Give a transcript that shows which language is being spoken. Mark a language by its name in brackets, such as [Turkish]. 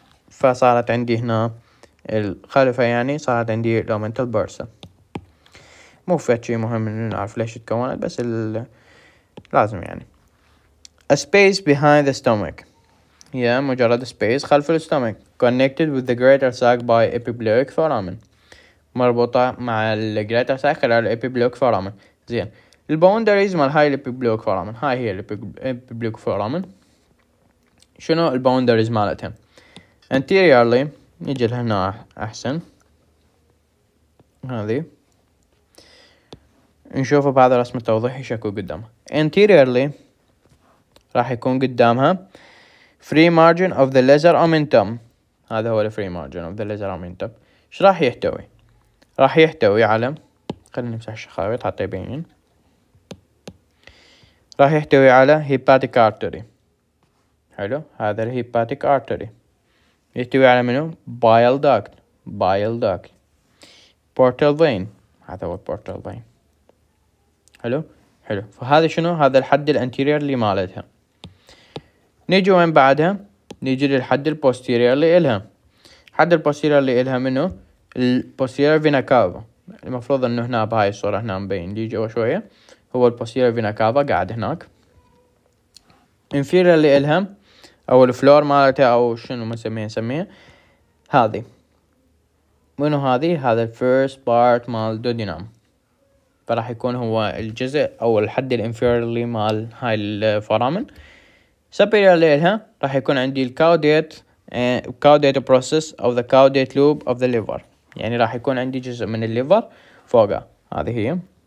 [Arabic] فصارت عندي هنا الخلفة، يعني صارت عندي الأومنتال بيرسا. مو فات شي مهم إنه نعرف ليش تكونت، بس لازم يعني [English] A space behind the stomach. [Arabic] هي مجرد space خلف الستومك. [English] Connected with the greater sac by epibloic foramen. [Arabic] مربوطة مع [English] greater sac [Arabic] خلال [English] epibloic foramen. [Arabic] زين. The boundaries مال هاي epibloic foramen. هاي هي epibloic foramen. شنو [English] the boundaries [Arabic] مالتهم؟ Anteriorly نجي لهنا أحسن. هذي. نشوف بعض رسم التوضيح شكو قدامها. Anteriorly راح يكون قدامها [English] free margin of the lesser omentum. [Arabic] هذا هو الفري مارجن اوف ذا ليزر اومنتوم. ايش راح يحتوي؟ راح يحتوي على، خلينا نمسح الشخاويط حتى يبين، راح يحتوي على هيباتيك ارتري. حلو، هذا الهيباتيك ارتري يحتوي على منو؟ بايل داكت. بايل داكت. بورتال فين، هذا هو بورتال فين. حلو حلو. فهذا شنو؟ هذا الحد الانتيرير اللي مالتها. نيجي وين بعدها؟ نيجي للحد البوستيريور اللي إلها. حد البوستيريور اللي إلها منه البوستيريور فينا كافا. المفروض انه هنا بهاي الصورة هنا مبين، دي جوا شوية، هو البوستيريور فينا كافا قاعد هناك. انفيريور اللي إلها او الفلور مالتها او شنو ما سميها هذي. منو هذي؟ هذا الفيرست بارت مال دودينام. فراح يكون هو الجزء او الحد الانفيريور اللي مال هاي الفرامن. [English] Superior [Arabic] لها راح يكون عندي الكاودات [English] process of the caudate loop of the liver. [Arabic] يعني راح يكون عندي جزء من الليفر فوقه. هذه هي.